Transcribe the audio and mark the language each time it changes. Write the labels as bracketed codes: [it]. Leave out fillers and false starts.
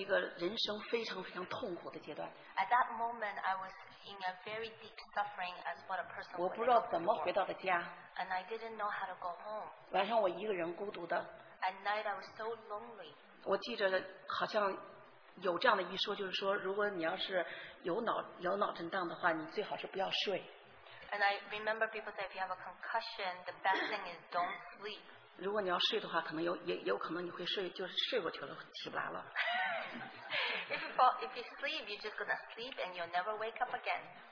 [zh] 那时候我处在一个人生非常非常痛苦的阶段。 [en] At that moment, I was in a very deep suffering as what a person would be. [zh] 我不知道怎么回到的家。 [en] And I didn't know how to go home. [zh] 晚上我一个人孤独的。 [en] At night, I was so lonely. [zh] 我记着好像有这样的一说，就是说，如果你要是有脑震荡的话，你最好是不要睡。 [en] And I remember people say if you have a concussion, the best thing is don't sleep. [zh] 如果你要睡的话，可能有可能你会睡，就是睡过去了，起不来了。 [en] If you sleep, you're just gonna sleep and you'll never wake up again.